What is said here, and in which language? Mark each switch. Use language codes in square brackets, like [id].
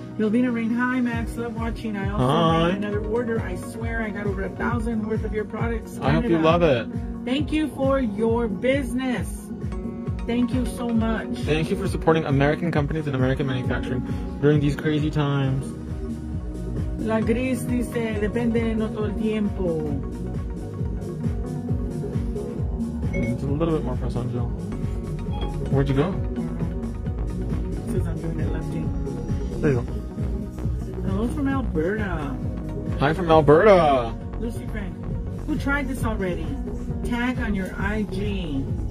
[en] Milvina Rain, hi Max, love watching. I also made another order. I swear I got over 1,000 worth of your products. Canada. I hope you love it. Thank you for your business. Thank you so much. Thank you for supporting American companies and American manufacturing during these crazy times. [es] La Gris dice, depende, no todo el tiempo. [en] It's a little bit more fresh on Jill. Where'd you go? I'm doing it lefty. There you go. Hello from Alberta. Hi from Alberta. Lucy Frank, who tried this already? Tag on your IG.